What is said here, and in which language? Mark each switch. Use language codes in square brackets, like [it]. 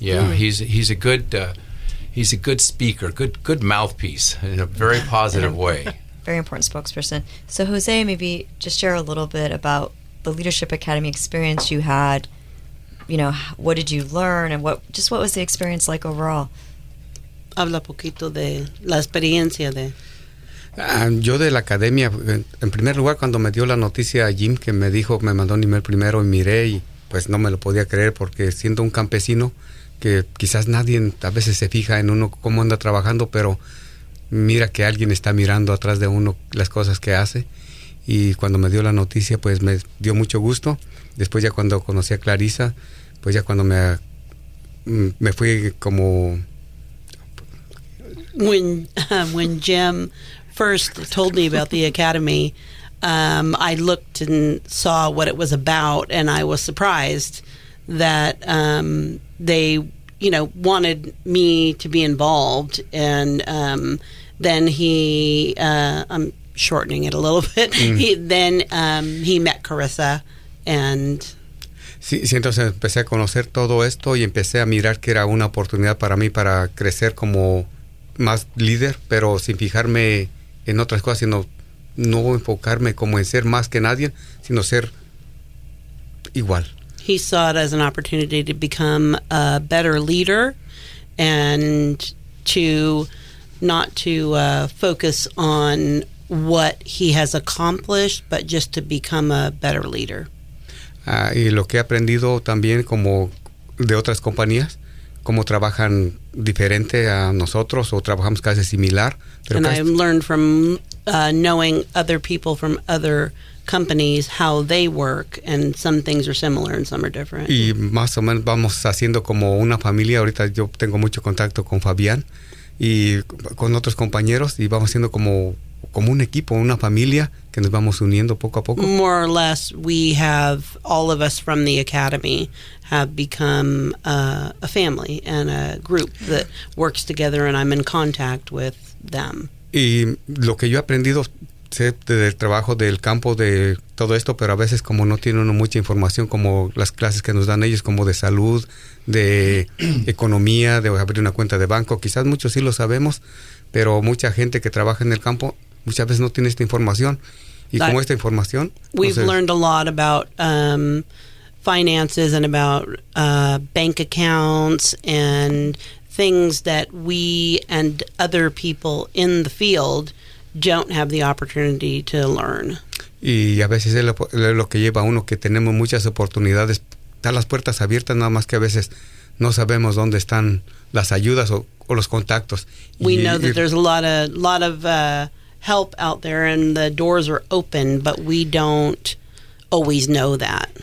[en] Yeah, he's a good speaker, good mouthpiece in a very positive way. Very important spokesperson. So Jose, maybe just share a little bit about the Leadership Academy experience you had. You know, what did you learn, and what was the experience like overall? [es] Habla poquito de la experiencia de. Yo de la academia, en primer lugar, cuando me dio la noticia Jim, que me dijo, me mandó un email primero y miré, y pues no me lo podía creer, porque siendo un campesino, que quizás nadie a veces se fija en uno cómo anda trabajando, pero mira que alguien está mirando atrás de uno las cosas que hace. Y cuando me dio la noticia, pues me dio mucho gusto. Después, ya cuando conocí a Clarisa, pues ya cuando me fui como. [en] When Jim first told me about the academy, I looked and saw what it was about, and I was surprised that they, you know, wanted me to be involved. And then I'm shortening it a little bit. Mm. He met Carissa, and. [es] Sí, sí, entonces empecé a conocer todo esto y empecé a mirar que era una oportunidad para mí para crecer como más líder, pero sin fijarme en otras cosas, sino no enfocarme como en ser más que nadie, sino ser igual. [en] He saw it as an opportunity to become a better leader and to not to focus on what he has accomplished, but just to become a better leader. [es] Y lo que he aprendido también como de otras compañías, cómo trabajan diferente a nosotros o trabajamos casi similar. [en] Pero and I've learned from knowing other people from other companies how they work, and some things are similar and some are different. [es] Y más o menos vamos haciendo como una familia. Ahorita yo tengo mucho contacto con Fabián y con otros compañeros y vamos haciendo como un equipo, una familia que nos vamos uniendo poco a poco. [en] More or less, we have, all of us from the academy, have become a family and a group that works together, and I'm in contact with them. [es] Y lo que yo he aprendido, sé del trabajo del campo, de todo esto, pero a veces como no tiene uno mucha información, como las clases que nos dan ellos, como de salud, de economía, de abrir una cuenta de banco, quizás muchos sí lo sabemos, pero mucha gente que trabaja en el campo muchas veces no tiene esta información. Y como esta información, [en] we've learned a lot about finances and about bank accounts and things that we and other people in the field don't have the opportunity to learn. [es] Y a veces es lo que lleva a uno, que tenemos muchas oportunidades, están las puertas abiertas, nada más que a veces no sabemos dónde están las ayudas o los contactos. [en] We know that there's a lot of help out there and the doors are open, but we don't always know that.